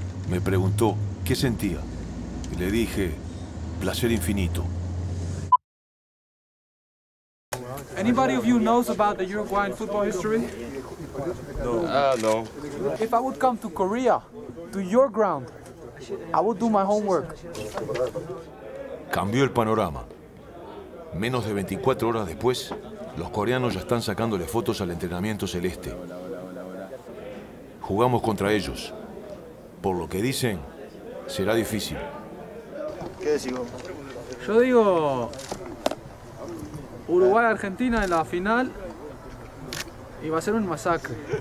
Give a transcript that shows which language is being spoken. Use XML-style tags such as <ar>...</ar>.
<es>Me preguntó qué sentía. Y le dije, placer infinito.</es> <en>Anybody of you knows about the Uruguayan football history? No. No. If I would come to Korea, to your ground, I would do my homework.</en> <es>Cambió el panorama. Menos de 24 horas después, los coreanos ya están sacándole fotos al entrenamiento celeste. Jugamos contra ellos. Por lo que dicen, será difícil. ¿Qué decís vos? Yo digo, Uruguay-Argentina en la final y va a ser un masacre.</es>